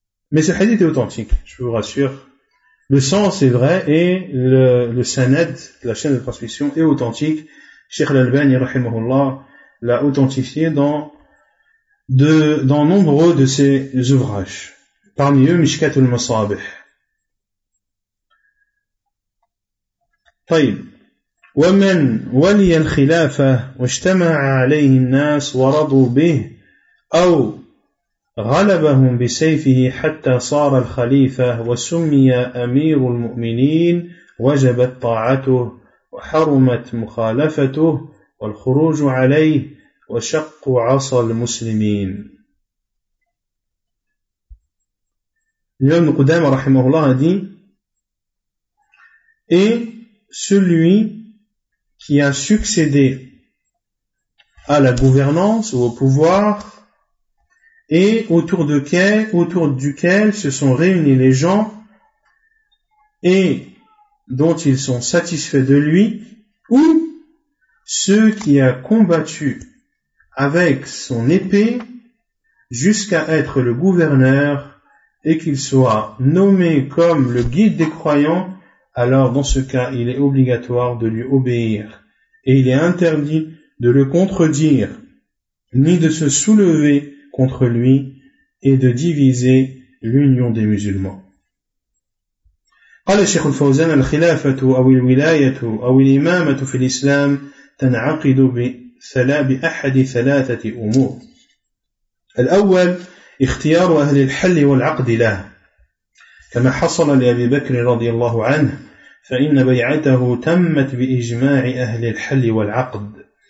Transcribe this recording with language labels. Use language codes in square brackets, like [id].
[fr] Mais ce hadith est authentique, je vous rassure. Le sens est vrai et le sanad, la chaîne de transmission, est authentique. Cheikh Al-Albani, rahimahullah, l'a authentifié dans nombreux de ses ouvrages. Parmi eux, Mishkat al-Masabih. [ar] طيب ومن ولي الخلافة واجتمع عليه الناس ورضوا به أو غلبهم بسيفه حتى صار الخليفة وسمي أمير المؤمنين وجبت طاعته وحرمت مخالفته والخروج عليه وشق عصا المسلمين. اليوم قدامى رحمه الله دي [fr] et celui qui a succédé à la gouvernance ou au pouvoir et autour duquel se sont réunis les gens et dont ils sont satisfaits de lui, ou ceux qui a combattu avec son épée jusqu'à être le gouverneur et qu'il soit nommé comme le guide des croyants, alors dans ce cas, il est obligatoire de lui obéir. Et il est interdit de le contredire, ni de se soulever contre lui et de diviser l'union des musulmans. [ar] قال الشيخ الفوزان الخلافة أو الولاية أو الإمامة في الإسلام تنعقد بأحد ثلاثة أمور. الأول اختيار أهل الحل والعقد له، كما حصل لأبي بكر رضي الله عنه، فإن بيعته تمت بإجماع أهل الحل والعقد.